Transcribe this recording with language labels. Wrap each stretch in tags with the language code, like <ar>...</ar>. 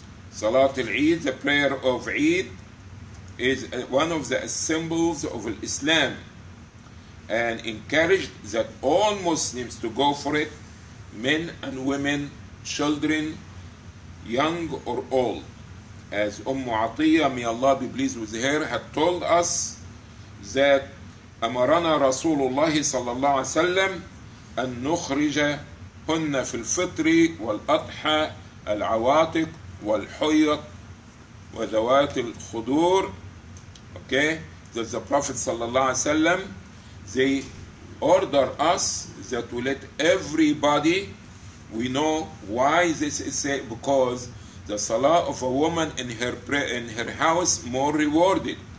<en>Salat al-Eid, the prayer of Eid, is one of the symbols of Islam, and encouraged that all Muslims to go for it, men and women, children, young or old. As Umm Atiyah, may Allah be pleased with her, had told us that</en> <ar>أمرنا رسول الله صلى الله عليه وسلم أن نخرج هن في الفطر والأضحى العواتق والحيط وذوات الخدور.</ar> <en>Okay, that the Prophet</en> <ar>صلى الله عليه وسلم,</ar> <en>they order us that we let everybody, we know why this is said, because the salah of a woman in her house more rewarded.</en>